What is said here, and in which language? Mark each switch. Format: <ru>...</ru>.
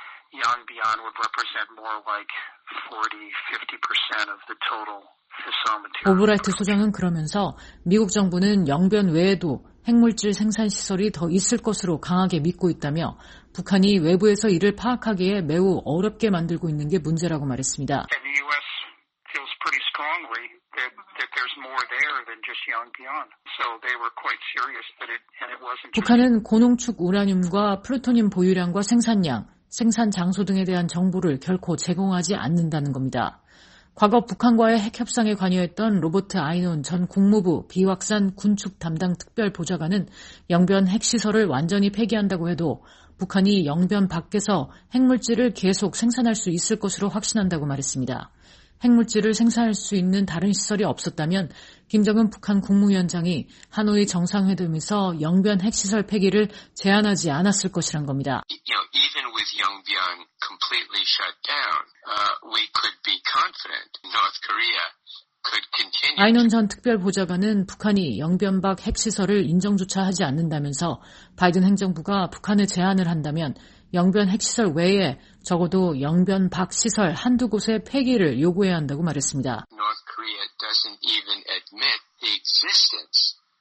<en>Young Beyond would represent more like 40-50% of the total fissile material.</en> <ko>오브라이트 소장은 그러면서 미국 정부는 영변 외에도 핵물질 생산 시설이 더 있을 것으로 강하게 믿고 있다며 북한이 외부에서 이를 파악하기에 매우 어렵게 만들고 있는 게 문제라고 말했습니다.</ko> <en>And the U.S. feels pretty strongly that there's more there than just Young Beyond. So they were quite serious that it wasn't.</en> <ko>북한은 고농축 우라늄과 플루토늄 보유량과 생산량, 생산 장소 등에 대한 정보를 결코 제공하지 않는다는 겁니다. 과거 북한과의 핵협상에 관여했던 로버트 아이논 전 국무부 비확산 군축 담당 특별보좌관은 영변 핵시설을 완전히 폐기한다고 해도 북한이 영변 밖에서 핵물질을 계속 생산할 수 있을 것으로 확신한다고 말했습니다. 핵물질을 생산할 수 있는 다른 시설이 없었다면 김정은 북한 국무위원장이 하노이 정상회담에서 영변 핵시설 폐기를 제안하지 않았을 것이란 겁니다.</ko> <en>Even with Yongbyon completely shut down, we could be confident North Korea could continue.</en> <ko>아이논 전 특별보좌관은 북한이 영변 밖 핵시설을 인정조차 하지 않는다면서 바이든 행정부가 북한에 제안을 한다면 영변 핵시설 외에 적어도 영변 밖 시설 한두 곳의 폐기를 요구해야 한다고 말했습니다.</ko> <en>North Korea doesn't even admit the existence.</en>